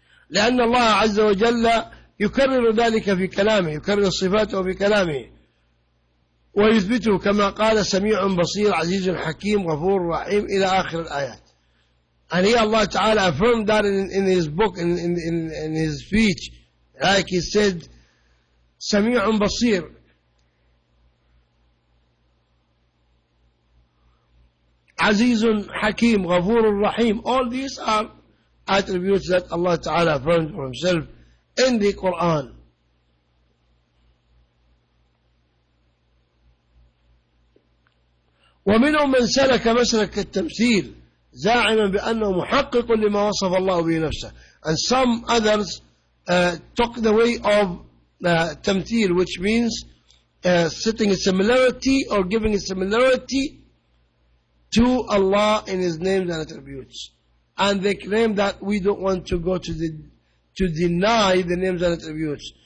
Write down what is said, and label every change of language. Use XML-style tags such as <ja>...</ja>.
<ar>لأن الله عز وجل يكرر ذلك في كلامه, يكرر صفاته في كلامه ويثبته كما قال سميع بصير عزيز حكيم غفور رحيم إلى آخر الآيات.</ar> <en>And here Allah Ta'ala affirmed that in his book, in his speech, like he said, Sami'un Basir. Azizun Hakim, Ghafurun Rahim. All these are attributes that Allah Ta'ala affirmed for himself in the Quran.</en> <ar>ومنهم من سلك مسلك التمثيل زاعما بأنه محقق لما وصف الله به نفسه.</ar> <en>And some others took the way of تمثيل, which means setting a similarity or giving a similarity to Allah in His names and attributes. And they claim that we don't want to go to deny the names and attributes.</en>